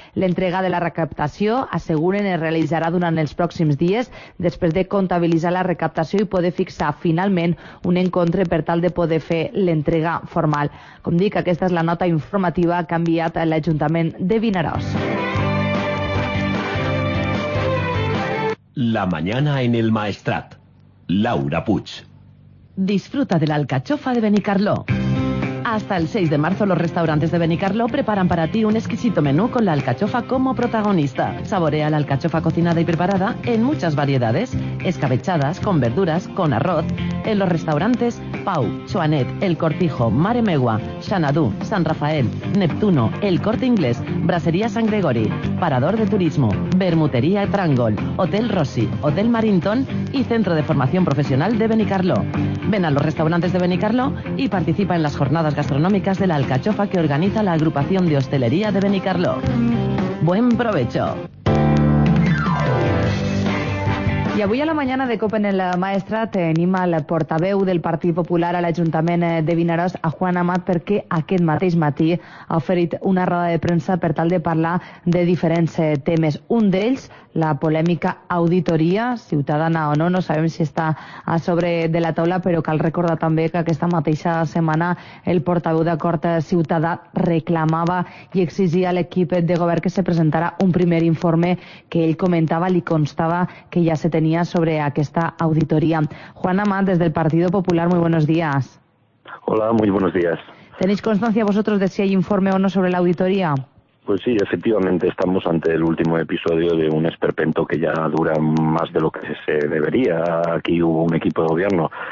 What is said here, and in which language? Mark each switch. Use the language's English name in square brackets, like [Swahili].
[Catalan] L'entrega de la recaptació, asseguren, es realitzarà durant els pròxims dies, després de comptabilitzar la recaptació i poder fixar finalment un encontre per tal de poder fer l'entrega formal. Com dic, aquesta és la nota informativa que ha enviat l'Ajuntament de Vinaròs. [Spanish] La mañana en el Maestrat. Laura Puig. Disfruta de la alcachofa de Benicarló. Hasta el 6 de marzo los restaurantes de Benicarló preparan para ti un exquisito menú con la alcachofa como protagonista. Saborea la alcachofa cocinada y preparada en muchas variedades, escabechadas, con verduras, con arroz. En los restaurantes Pau, Chuanet, El Cortijo, Mare Megua, Xanadú, San Rafael, Neptuno, El Corte Inglés, Brasería San Gregori, Parador de Turismo, Bermutería Trangol, Hotel Rossi, Hotel Marintón y Centro de Formación Profesional de Benicarló. Ven a los restaurantes de Benicarló y participa en las jornadas gastronómicas de la alcachofa que organiza la Agrupación de Hostelería de Benicarló. ¡Buen provecho! [Catalan] I avui a la mañana de Copa en el Maestrat tenim al portaveu del Partit Popular a l'Ajuntament de Vinaròs, a Juan Amat, perquè aquest mateix matí ha oferit una roda de premsa per tal de parlar de diferents temes. Un d'ells, la polèmica auditoria, ciutadana o no, no sabem si està a sobre de la taula, però cal recordar també que aquesta mateixa setmana el portaveu d'Acord Ciutadà reclamava i exigia a l'equip de govern que se presentara un primer informe que ell comentava, li constava que ja [Spanish] se tenía sobre esta auditoría. Juan Amat, desde el Partido Popular, muy buenos días. Hola, muy buenos días. ¿Tenéis constancia vosotros de si hay informe o no sobre la auditoría? Pues sí, efectivamente, estamos ante el último episodio de un esperpento que ya dura más de lo que se debería. Aquí hubo un equipo de gobierno